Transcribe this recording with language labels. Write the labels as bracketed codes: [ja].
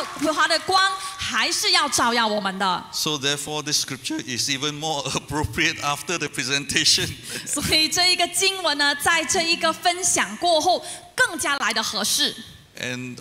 [zh] 所以要跟你们分享的就是，不需要沮丧，不需要担心，因为耶和华的光还是要照耀我们的。So [en] therefore, this scripture is even more appropriate after the presentation. [zh] 所以这一个经文呢，在这一个分享过后，更加来的合适。And